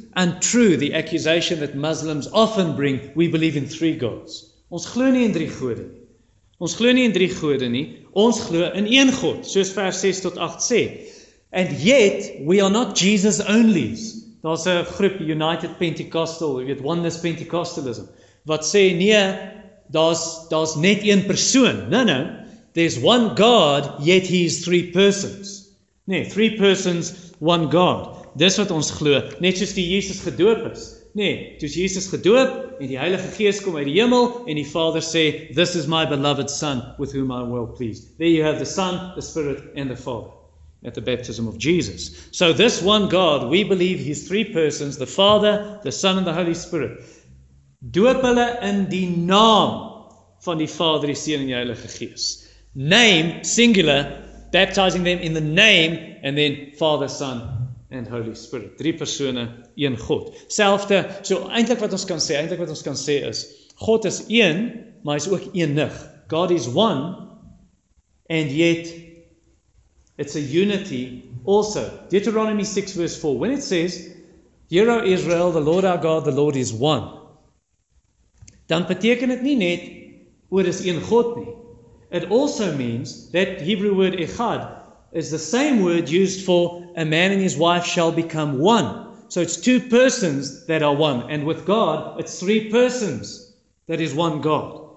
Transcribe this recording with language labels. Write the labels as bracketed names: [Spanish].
[English] Untrue the accusation that Muslims often bring, we believe in three gods. [Afrikaans] Ons glo nie in drie gode nie. Ons glo nie in drie gode nie. Ons glo in een God, soos vers 6 tot 8 sê. [English] And yet, we are not Jesus onlys. [Afrikaans] Daar's 'n groep United Pentecostal, [English] you get Oneness Pentecostalism, [Afrikaans] wat sê nee, daar's net een persoon. [English] No, there's one God, yet he is three persons. Nee, three persons, one God. [Afrikaans] Dis wat ons glo, net soos die Jesus gedoop is. Nee, toe Jesus gedoop en die Heilige Gees kom uit die hemel en die Vader sê, [English] "This is my beloved son with whom I am well pleased." There you have the Son, the Spirit and the Father. At the baptism of Jesus. So this one God, we believe he's three persons, the Father, the Son, and the Holy Spirit. [Afrikaans] Doop hulle in die naam van die Vader, die Seun, en die Heilige Gees. [English] Name, singular, baptizing them in the name, and then Father, Son, and Holy Spirit. [Afrikaans] Drie persone, een God. Selfde, so eintlik wat ons kan sê is, God is een, maar is ook enig. [English] God is one, and yet, it's a unity also. Deuteronomy 6 verse 4. When it says, Hear, O Israel, the Lord our God, the Lord is one. [Afrikaans] Dan beteken het nie net, oor is een God nie. [English] It also means that Hebrew word echad is the same word used for a man and his wife shall become one. So it's two persons that are one. And with God, it's three persons that is one God.